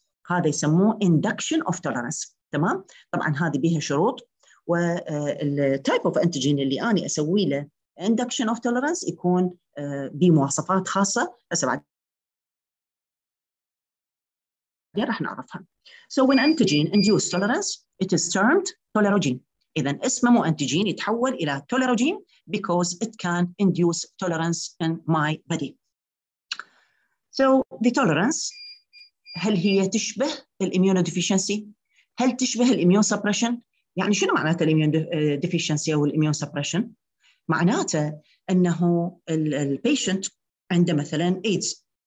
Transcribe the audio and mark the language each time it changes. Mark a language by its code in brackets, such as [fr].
[ar] هذا يسموه induction of tolerance تمام طبعا هذه بها شروط والtype of antigen اللي أني أسوي له induction of tolerance يكون بمواصفات خاصة هسه بعد راح نعرفها. [en] So when antigen induces tolerance, it is termed tolerogene. [ar] إذن اسمه مو antigen يتحول إلى tolerogene [en] because it can induce tolerance in my body. So the tolerance, [ar] هل هي تشبه الإميونوديفيشنسي؟ هل تشبه الإميون سبريشن؟ يعني شنو معناته الإميون ديفيشنسي أو الإميون سبريشن؟ معناته أنه البيشنت عنده مثلاً AIDS.